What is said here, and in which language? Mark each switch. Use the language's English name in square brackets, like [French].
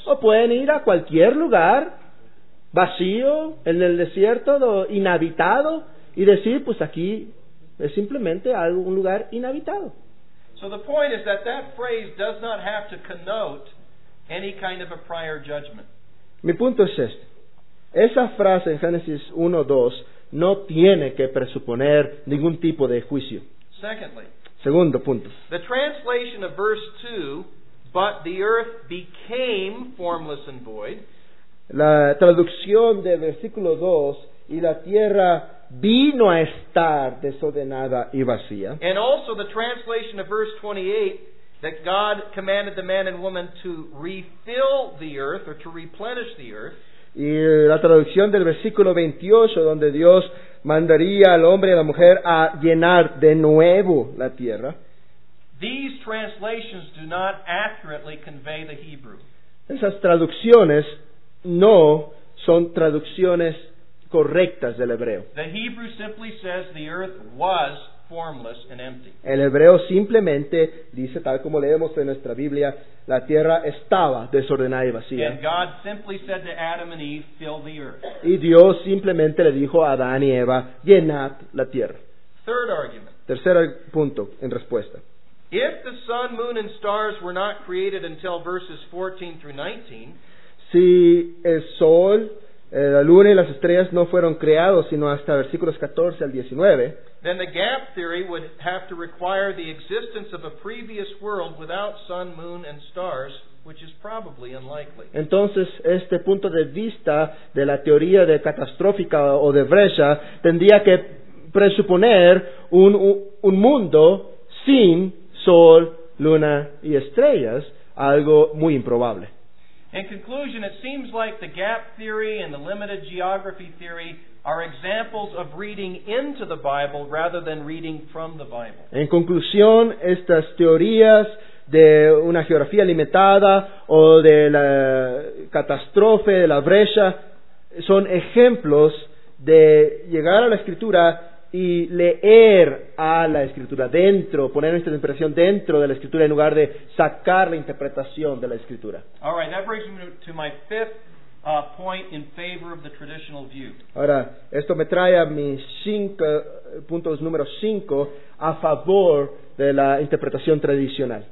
[Spanish] O pueden ir a cualquier lugar vacío en el desierto, inhabitado y decir, pues aquí es simplemente un lugar inhabitado. [English] So the point is that that phrase does not have to connote any kind of a prior judgment. [Spanish] Mi punto es este. Esa frase en Génesis 1:2 no tiene que presuponer ningún tipo de juicio. [English] Secondly. [Spanish] Segundo punto. [English] The translation of verse 2, but the earth became formless and void. [Spanish] La traducción de versículo 2 y la tierra vino a estar desordenada y vacía. [English] And also the translation of verse 28, that God commanded the man and woman to refill the earth or to replenish the earth. [Spanish] Y la traducción del versículo 28, donde Dios mandaría al hombre y a la mujer a llenar de nuevo la tierra. [English] These translations do not accurately convey the Hebrew. [Spanish] Esas traducciones no son traducciones correctas del hebreo. [English] The Hebrew simply says the earth was formless and empty. [Spanish] El hebreo simplemente dice, tal como leemos en nuestra Biblia, la tierra estaba desordenada y vacía. [English] And God simply said to Adam and Eve, fill the earth. [Spanish] Y Dios simplemente le dijo a Adán y Eva, llenad la tierra. [English] Third argument. [Spanish] Tercer punto en respuesta. [English] If the sun, moon, and stars were not created until verses 14 through 19, [Spanish] si el sol, la luna y las estrellas no fueron creados sino hasta versículos 14 al 19, [English] then the gap theory would have to require the existence of a previous world without sun, moon, and stars, which is probably unlikely. [Spanish] Entonces, este punto de vista de la teoría de catastrófica o de brecha tendría que presuponer un mundo sin sol, luna y estrellas, algo muy improbable. [English] In conclusion, it seems like the gap theory and the limited geography theory are examples of reading into the Bible rather than reading from the Bible. [Spanish] En conclusión, estas teorías de una geografía limitada o de la catástrofe, de la brecha, son ejemplos de llegar a la Escritura y leer a la Escritura dentro, poner nuestra impresión dentro de la Escritura en lugar de sacar la interpretación de la Escritura. [English] All right, that brings me to my fifth point in favor of the traditional view. [Spanish] Ahora, esto me trae a mis cinco puntos número cinco a favor de la interpretación tradicional.